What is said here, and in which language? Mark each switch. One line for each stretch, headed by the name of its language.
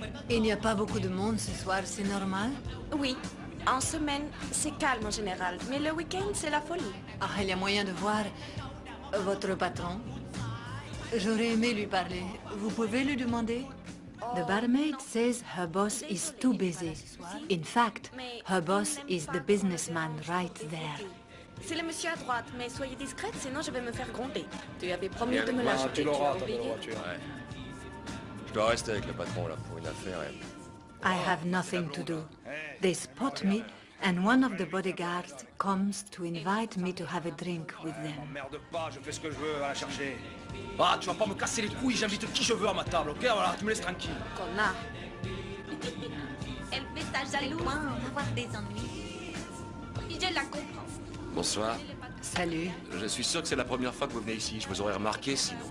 French: Il n'y a pas beaucoup de monde ce soir, c'est normal? Oui. En semaine, c'est calme en général, mais le week-end, c'est la folie. Ah, il y a moyen de voir votre patron. J'aurais aimé lui parler. Vous pouvez lui demander?
English: The barmaid says her boss is too busy. In fact, her boss is the businessman right there.
French: C'est le monsieur à droite, mais soyez discrète, sinon je vais me faire gronder. Tu avais promis de me lâcher. Tu l'auras dans la voiture. Ouais. Je dois rester avec le patron là pour une affaire. Et...
English: I have nothing to do. They spot me and one of the bodyguards comes to invite me to have a drink with them.
French: Merde pas, je fais ce que je veux, va la chercher. Ah, tu vas pas me casser les couilles, j'invite qui je veux à ma table, ok? Voilà, tu me laisses tranquille. Connard. Elle fait ta jalouse. On va avoir des ennuis. Je la comprends. Bonsoir. Salut. Je suis sûr que c'est la première fois que vous venez ici, je vous aurais remarqué sinon.